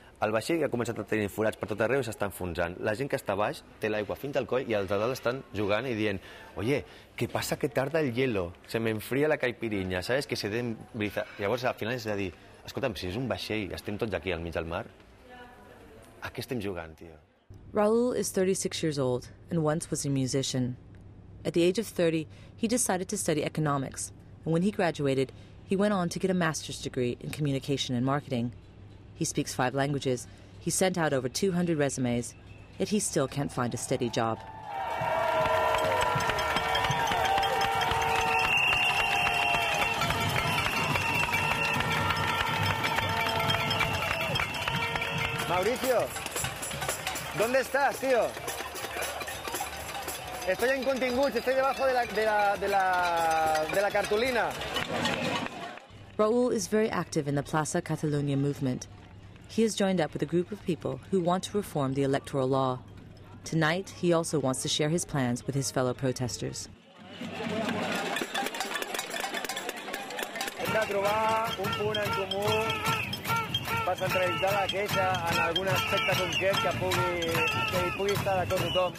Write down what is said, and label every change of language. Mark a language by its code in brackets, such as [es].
[ca] El vaixell ha començat a tenir forats per tot arreu i s'està enfonsant. La gent que està baix té l'aigua fins al coll i els de dalt estan jugant i dient: [es] «Oye, què passa que tarda el hielo? Se m'enfria la caipirinha, ¿sabes? Que se den brisa». [ca] Llavors, al final, és de dir: «Escolta'm, si és un vaixell, estem tots aquí al mig del mar, a què estem jugant, tio?» [en] Raul is 36 years old and once was a musician. At the age of 30, he decided to study economics, and when he graduated, he went on to get a master's degree in communication and marketing. He speaks 5 languages. He sent out over 200 resumes, yet he still can't find a steady job. [es] Mauricio! ¿Dónde estás, tío? Estoy en Continguts, estoy debajo de la cartulina. [en] Raúl is very active in the Plaza Catalunya movement. He has joined up with a group of people who want to reform the electoral law. Tonight, he also wants to share his plans with his fellow protesters. [ca] Hem de trobar un punt en comú per centralitzar la queixa en algun aspecte concret que hi pugui estar d'acord tothom.